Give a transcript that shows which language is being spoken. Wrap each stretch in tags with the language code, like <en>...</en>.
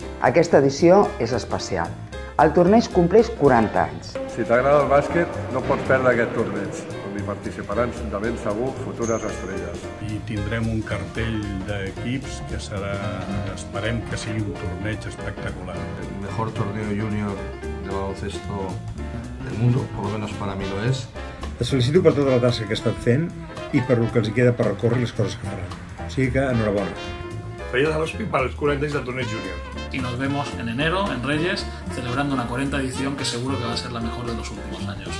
<ca>Aquesta edició és especial. El torneig compleix 40 anys. Si t'agrada el bàsquet, no pots perdre aquest torneig. Hi participaran de ben segur futures estrelles. I tindrem un cartell d'equips que serà, esperem que sigui un torneig espectacular.</ca> <es>El mejor torneo júnior de baloncesto del mundo, por lo menos para mí lo es.</es> <ca>Et felicito per tota la tasca que estàs fent i per el que els queda per recórrer les coses que faran. O sigui que, enhorabona. Feia de l'hospi per als 40 anys del torneig júnior.</ca> <es>Y nos vemos en enero, en Reyes, celebrando una 40 edición que seguro que va a ser la mejor de los últimos años.</es>